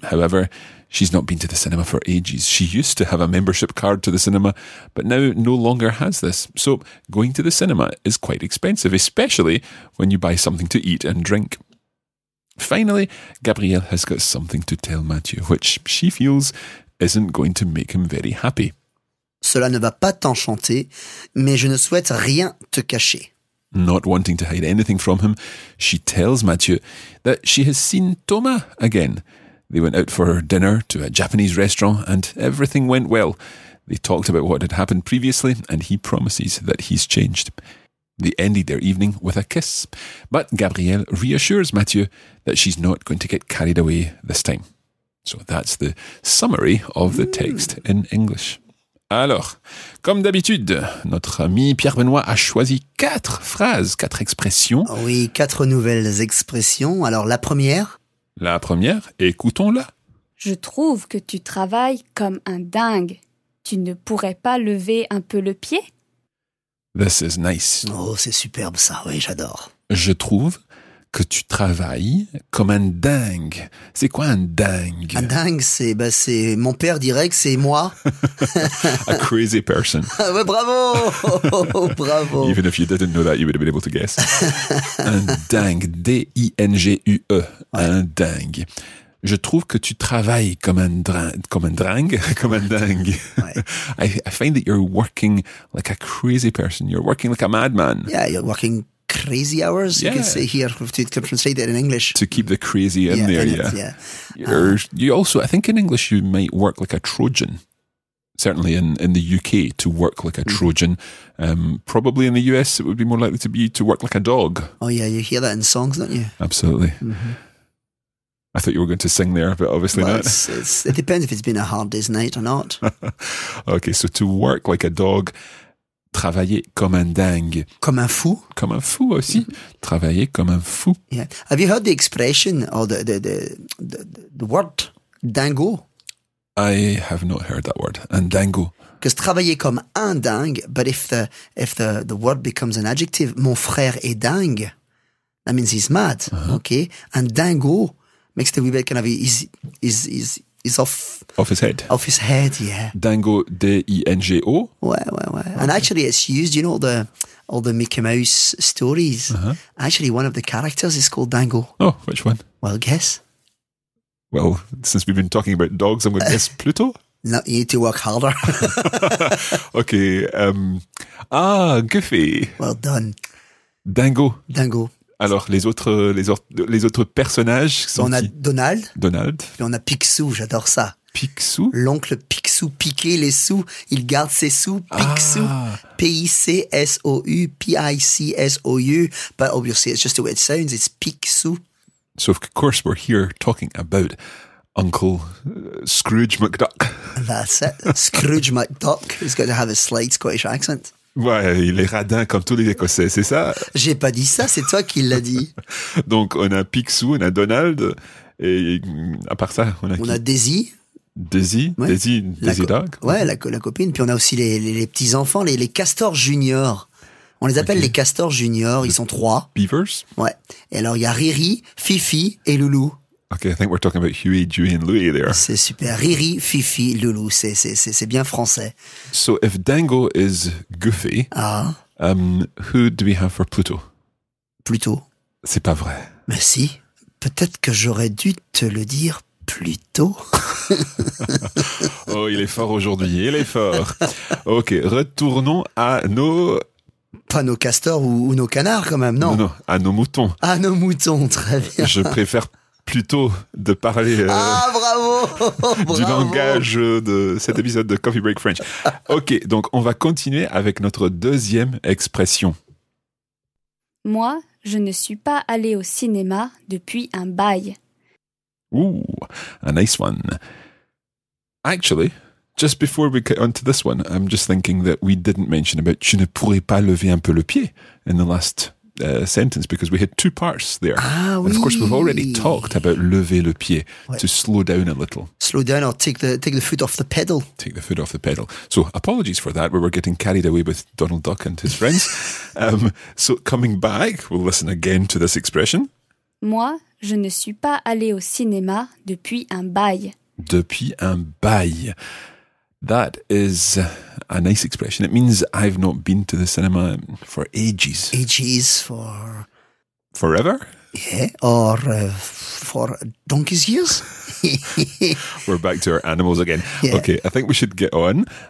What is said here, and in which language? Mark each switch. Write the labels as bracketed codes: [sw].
[en] However, she's not been to the cinema for ages. She used to have a membership card to the cinema, but now no longer has this. So going to the cinema is quite expensive, especially when you buy something to eat and drink. Finally, Gabrielle has got something to tell Mathieu, which she feels isn't going to make him very happy. [fr] Cela ne va pas t'enchanter, mais je ne souhaite rien te cacher. [en] Not wanting to hide anything from him, she tells Mathieu that she has seen Thomas again. They went out for dinner to a Japanese restaurant and everything went well. They talked about what had happened previously and he promises that he's changed. They ended their evening with a kiss. But Gabrielle reassures Mathieu that she's not going to get carried away this time. So that's the summary of the text in English. [fr] Alors, comme d'habitude, notre ami Pierre Benoît a choisi quatre phrases, quatre expressions. Oui, quatre nouvelles expressions. Alors, la première. La première, écoutons-la. Je trouve que tu travailles comme un dingue. Tu ne pourrais pas lever un peu le pied? [en] This is nice. [fr] Oh, c'est superbe ça, oui, j'adore. Je trouve que tu travailles comme un dingue. C'est quoi un dingue? Un dingue, c'est mon père dirait que c'est moi. [en] A crazy person. [fr] Ouais, bravo! Bravo! [en] Even if you didn't know that, you would have been able to guess. [fr] Un dingue, D-I-N-G-U-E, ouais. Un dingue. Je trouve que tu travailles comme un dingue. Ouais. [en] I find that you're working like a crazy person. You're working like a madman. Yeah, you're working crazy hours, yeah. You can say here, to translate it in English. To keep the crazy in yeah, there, in yeah. It, yeah. You also, I think in English you might work like a Trojan, certainly in the UK, to work like a Trojan. Probably in the US it would be more likely to be to work like a dog. Oh yeah, you hear that in songs, don't you? Absolutely. Mm-hmm. I thought you were going to sing there, but obviously well, not. It depends if it's been a hard day's night or not. Okay, so to work like a dog. [fr] Travailler comme un dingue. Comme un fou. Comme un fou aussi. Mm-hmm. Travailler comme un fou. [en] Yeah. Have you heard the expression or the word dingo? I have not heard that word. [fr] Un dingo. [en] Because [fr] travailler comme un dingue, [en] but if the word becomes an adjective, [fr] mon frère est dingue, [en] that means he's mad. Uh-huh. Okay. Un dingo makes the wee bit kind of is off. Off his head. Off his head, yeah. Dingo, D-I-N-G-O. [fr] Ouais, ouais, ouais. [en] Okay. And actually it's used, you know, all the Mickey Mouse stories. Uh-huh. Actually, one of the characters is called Dingo. Oh, which one? Well, guess. Well, since we've been talking about dogs, I'm going to guess Pluto. No, you need to work harder. Okay. Goofy. Well done. Dingo. Dingo. [fr] Alors, les autres personnages sont on a qui? Donald. Donald. Puis on a Picsou, j'adore ça. Picsou. L'oncle Picsou piquait les sous, il garde ses sous. Picsou. Ah. P-I-C-S-O-U, P-I-C-S-O-U. [en] But obviously, it's just the way it sounds, it's Picsou. So, of course, we're here talking about Uncle Scrooge McDuck. That's it. Scrooge McDuck is going to have a slight Scottish accent. [fr] Ouais, il est radin comme tous les Écossais, c'est ça? J'ai pas dit ça, c'est toi qui l'as dit. Donc, on a Picsou, on a Donald, et à part ça, on a On a Daisy, Daisy, ouais. Daisy, Daisy Duck. Ouais, la copine. Puis on a aussi les petits enfants, les castors juniors. On les appelle okay. les castors juniors. Ils sont trois. [en] Beavers. [fr] Ouais. Et alors il y a Riri, Fifi et Loulou. [en] Okay, I think we're talking about Huey, Dewey and Louie there. [fr] C'est super. Riri, Fifi, Loulou, c'est bien français. [en] So if Dingo is Goofy, who do we have for Pluto? Pluto. [fr] C'est pas vrai. Mais si. Peut-être que j'aurais dû te le dire plus tôt. Oh, il est fort aujourd'hui, il est fort. Ok, retournons à nos... Pas nos castors ou nos canards quand même, non? Non, non, à nos moutons. À nos moutons, très bien. Je préfère plutôt de parler... Ah, bravo, bravo. ...du langage de cet épisode de Coffee Break French. Ok, donc on va continuer avec notre deuxième expression. Moi, je ne suis pas allé au cinéma depuis un bail. [en] Ooh, a nice one. Actually, just before we get onto this one, I'm just thinking that we didn't mention about [fr] tu ne pourrais pas lever un peu le pied [en] in the last sentence because we had two parts there. [fr] Ah, oui. [en] And of course, we've already talked about [fr] lever le pied, [en] ouais. to slow down a little. Slow down or take the foot off the pedal. Take the foot off the pedal. So apologies for that. We were getting carried away with Donald Duck and his friends. So coming back, we'll listen again to this expression. [fr] Moi, je ne suis pas allé au cinéma depuis un bail. Depuis un bail. [en] That is a nice expression. It means I've not been to the cinema for ages. Ages for... Forever? Yeah, or for donkey's years. We're back to our animals again. Yeah. Okay, I think we should get on.